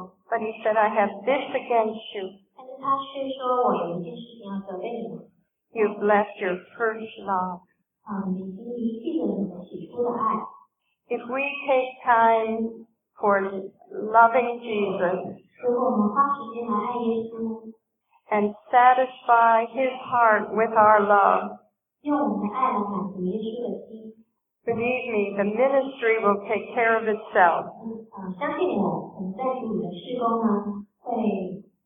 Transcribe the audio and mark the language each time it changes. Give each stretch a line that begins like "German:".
English: But he said, I have this against you.
Chinese: 他却说我有一件事情要责备你。
English: You've left your first love.
Chinese: 你已经遗弃了你的起初的爱。
English: If we take time for loving Jesus,
Chinese: 如果我们花时间来爱耶稣
English: and satisfy his heart with our love,
Chinese: 用我们的爱来满足耶稣的心
English: believe me, the ministry will take care of itself.
Chinese: 相信我们在主的事工呢会